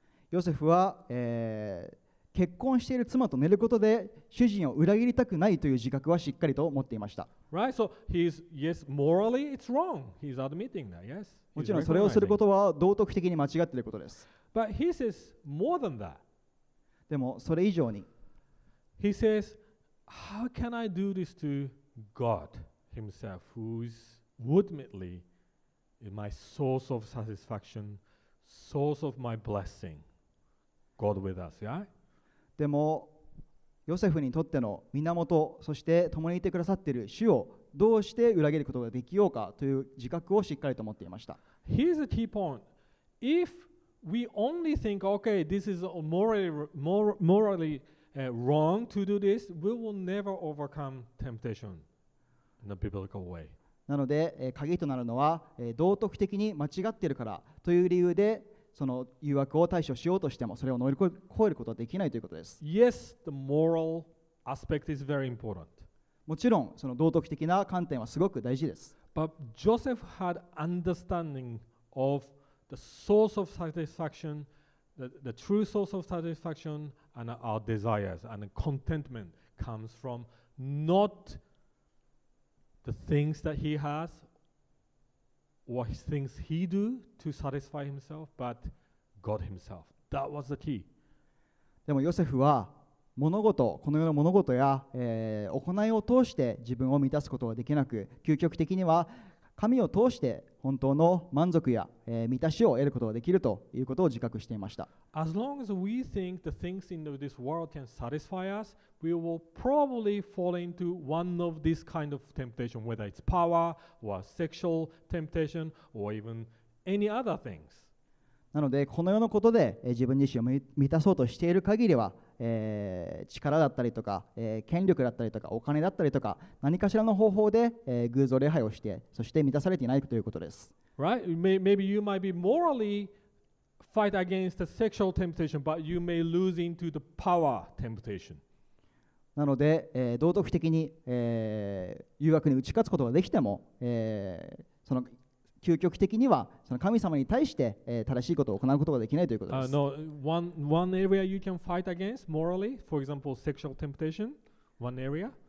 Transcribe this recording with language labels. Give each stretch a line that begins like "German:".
Japanese: ヨセフは、結婚している妻と寝ることで主人を裏切りたくないという自覚はしっかりと持っていました。
English: Right, so yes, morally it's wrong. He's admitting that, yes.
Japanese: もちろんそれをすることは道徳的に間違っていることです。
English: But he says more than that.
Japanese: でもそれ以上に。
English: He says, how can I do this to God himself, who is ultimately my source of satisfaction, source of my blessing, God with us, yeah?
Japanese: でも、ヨセフにとっての源、そして共にいてくださっている主をどうして裏切ることができようかという自覚をしっかりと持っていました。
English: Here's a key point. If we only think, okay, this is morally wrong to do this, we will never overcome temptation in a biblical way.
Japanese: なので、鍵となるのは、道徳的に間違っているからという理由で、その誘惑を対処しようとしても、それを乗り越えることはできないということです。
English: Yes, the moral aspect is very important.
Japanese: もちろん、その道徳的な観点はすごく大事です。
English: But Joseph had understanding of the source of satisfaction, the true source of satisfaction, and our desires and contentment comes from not the things that he has, what things he do to satisfy himself, but God himself. That was the key.
Japanese: でもヨセフは物事、この世の物事や、行いを通して自分を満たすことができなく、究極的には神を通して本当の満足や、満たしを得ることができるということを自覚していました。
English: As long as we think the things in this world can satisfy us, we will probably fall into one of this kind of temptation, whether it's power or sexual temptation or even any other things.
Japanese: なので、この世のことで、自分自身を満たそうとしている限りは、力だったりとか、権力だったりとか、お金だったりとか、何かしらの方法で、偶像礼拝をして、そして満たされていないということです。
English: Right? Maybe you might be morally fight against the sexual temptation, but you may lose into the power temptation.
Japanese: なので、道徳的に、誘惑に打ち勝つことができても、その究極的にはその神様に対して、正しいことを行うことができないということです。
English: No, one area you can fight against morally, for example, sexual temptation, one area.